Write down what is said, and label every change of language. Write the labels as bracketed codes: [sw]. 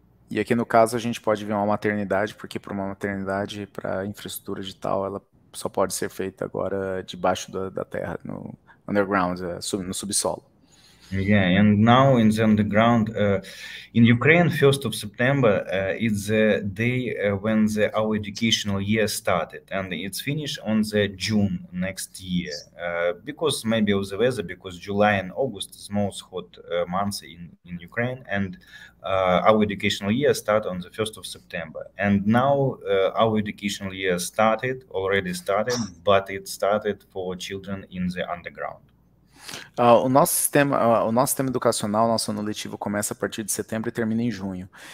[pt] E aqui no caso a gente pode ver uma maternidade, porque para uma maternidade, para infraestrutura digital, ela só pode ser feita agora debaixo da terra, no underground, no subsolo. [en] Yeah, and now in the underground, in Ukraine, 1st of September is the day when our educational year started, and it's finished on the June next year, because maybe of the weather, because July and August is most hot months in Ukraine, and our educational year started on the 1st of September, and now our educational year already started, but it started for children in the underground. [pt] O nosso sistema educacional, nosso ano letivo começa a partir de setembro e termina em junho.